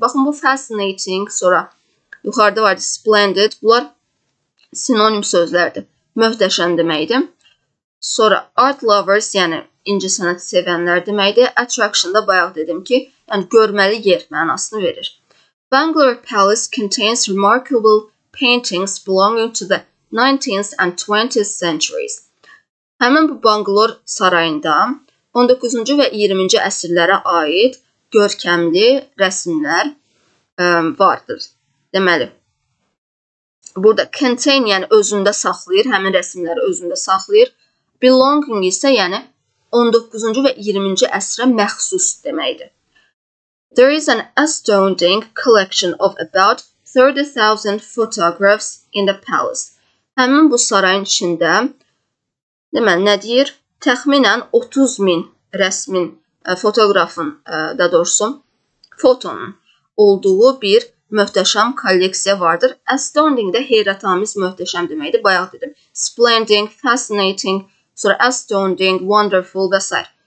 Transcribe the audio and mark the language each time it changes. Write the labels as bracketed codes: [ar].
[az] Baxın, bu fascinating, sonra yuxarıda vardır, splendid, bunlar sinonim sözlərdir, möhtəşəm deməkdir. Sonra art lovers, yəni incisənət sevənlər deməkdir, attraction da bayaq dedim ki, yəni görməli yer mənasını verir. [en] Bangalore Palace contains remarkable paintings belonging to the 19th and 20th centuries. [az] Həmin bu Bangalore sarayında 19-cu və 20-ci əsrlərə aid görkəmli rəsimlər vardır. Deməli, burada contain, yəni özündə saxlayır, həmin rəsimləri özündə saxlayır. Belonging isə, yəni 19-cu və 20-ci əsrə məxsus deməkdir. [en] There is an astounding collection of about 30,000 photographs in the palace. [az] Həmin bu sarayın içində, deməli, nə deyir? Təxminən 30,000 rəsmin, fotoğrafın, da doğrusu, fotonun olduğu bir möhtəşəm kolleksiya vardır. Astounding də heyrətamiz möhtəşəm deməkdir, bayaq dedim. Splendid, fascinating, sonra astounding, wonderful və s.